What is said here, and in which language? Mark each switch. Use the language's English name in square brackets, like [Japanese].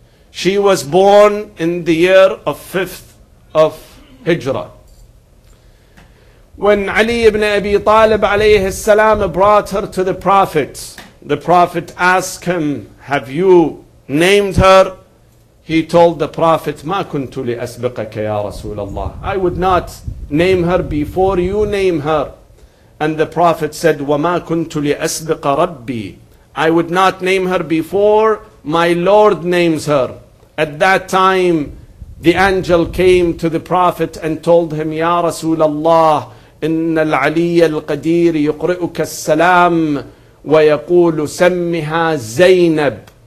[English] She was born in the year of 5th of Hijrah. When Ali ibn Abi Talib alayhi salam brought her to the Prophet asked him, have you named her? He told the Prophet, [Arabic] ما كنت لأسبقك يا رسول الله. [English] I would not name her before you name her. And the Prophet said, [Arabic] وما كنت لأسبق ربي. [English] I would not name her before my Lord names her. At that time, the angel came to the Prophet and told him, [Arabic] يا رسول الله, إن العلي القدير يقرئك السلام ويقول سمها زينب.